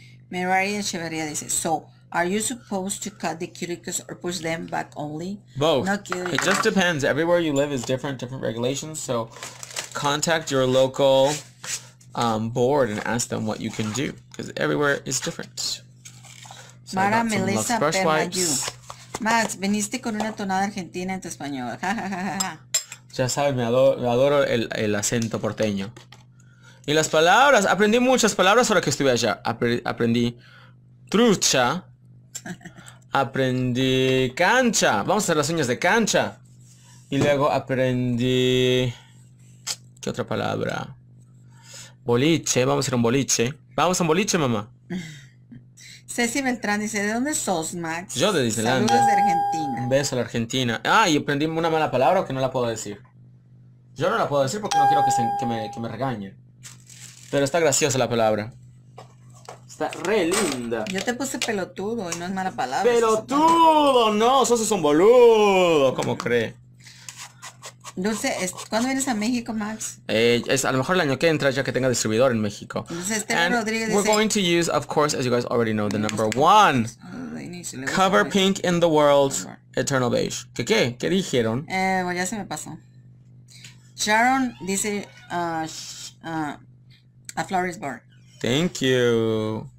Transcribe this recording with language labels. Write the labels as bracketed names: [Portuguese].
[English] Mary Echeverria dice, so are you supposed to cut the cuticles or push them back only? Both. No cuticles. It just depends. Everywhere you live is different regulations. So contact your local board and ask them what you can do, because everywhere is different. So Mara Melissa Permayu. [Spanish] Max, viniste con una tonada argentina en tu español. Ya sabes, me adoro el acento porteño. Y las palabras, aprendí muchas palabras ahora que estuve allá. Aprendí trucha. Aprendí cancha. Vamos a hacer las uñas de cancha. Y luego aprendí... ¿Qué otra palabra? Boliche, vamos a ir a un boliche. Vamos a un boliche, mamá. Ceci Beltrán dice, ¿de dónde sos, Max? Yo de Disneyland. Saludos de Argentina. Un beso a la Argentina. Ah, y aprendí una mala palabra que no la puedo decir. Yo no la puedo decir porque no quiero que me regañen. Pero está graciosa la palabra. Está re linda. Yo te puse pelotudo y no es mala palabra. ¡Pelotudo! No, sos un boludo. ¿Cómo cree? Dulce, ¿cuándo vienes a México, Max? Es a lo mejor el año que entra ya que tenga distribuidor en México. Dulce Esteban Rodríguez dice... [English] We're going to use, of course, as you guys already know, the number one. Cover pink in the world, eternal beige. [Spanish] ¿Qué? ¿Qué dijeron? Bueno, ya se me pasó. Sharon dice... [English] a florist bar. Thank you.